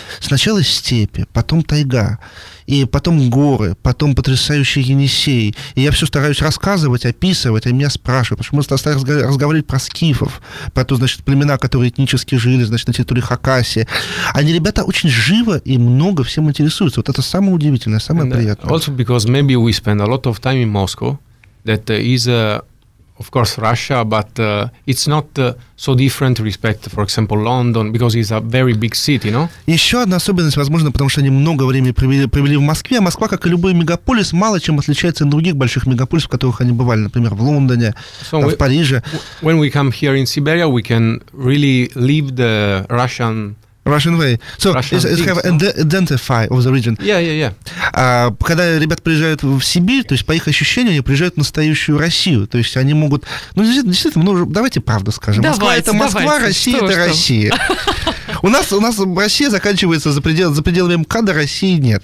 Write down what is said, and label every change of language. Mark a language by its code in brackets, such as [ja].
[ru] Сначала степи, потом тайга, и потом горы, потом потрясающий Енисей. И я все стараюсь рассказывать, описывать, а меня спрашивают, потому что мы стали разговаривать про скифов, про то, значит, племена, которые этнически жили, значит, на территории Хакасии. Они, ребята, очень живо и много всем интересуются. Вот это самое удивительное, самое приятное. [en] Also because maybe we spend a lot of time in Moscow, that is, of course, Russia, but it's not so different respect, for example, London, because it's a very big city, no? [ru] Еще одна особенность, возможно, потому что они много времени провели в Москве. Москва, как и любой мегаполис, мало чем отличается от других больших мегаполисов, в которых они бывали, например, в Лондоне, в Париже. [en] When we come here in Siberia, we can really live the Russian way. So, it's have identify of the region. Yeah. [ru] Когда ребята приезжают в Сибирь, то есть по их ощущениям, они приезжают в настоящую Россию. То есть они могут... Ну, действительно, давайте правду скажем. Давайте, Москва — это Москва, давайте. Россия — это Россия. У нас Россия заканчивается за пределами МКАДа, России нет.